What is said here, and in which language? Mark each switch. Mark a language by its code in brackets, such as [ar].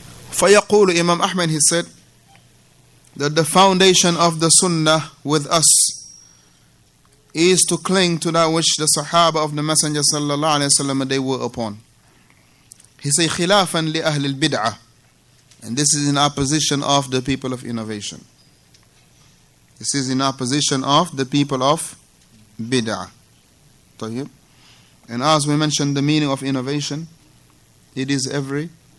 [ar] فيقول [en] Imam Ahmed, he said, that the foundation of the Sunnah with us is to cling to that which the Sahaba of the Messenger sallallahu alayhi wa sallam they were upon. He said, [ar] خِلَافًا لِأَهْلِ الْبِدْعَةِ. [en] And this is in opposition of the people of innovation. This is in opposition of the people of bid'ah. And as we mentioned the meaning of innovation, it is every...